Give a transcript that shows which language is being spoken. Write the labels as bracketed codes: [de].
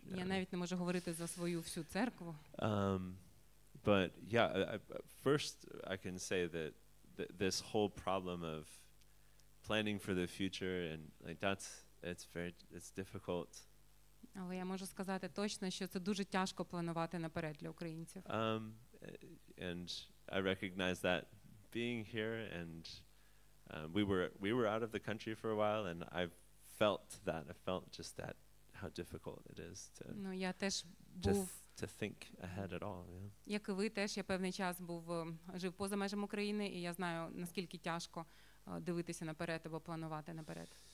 [uk] Я навіть не можу говорити за свою всю церкву. [en] But yeah, first I can say that this whole problem of planning for the future and like it's difficult. [uk] Але я можу сказати точно, що це дуже тяжко планувати наперед для українців. [en] And I recognize that being here and we were out of the country for a while and I felt just that how difficult it is to. [uk] Ну, я теж був [en] to think ahead at all, yeah. [uk] Як і ви теж, я певний час був жив поза межами України і я знаю, наскільки тяжко дивитися наперед або планувати наперед.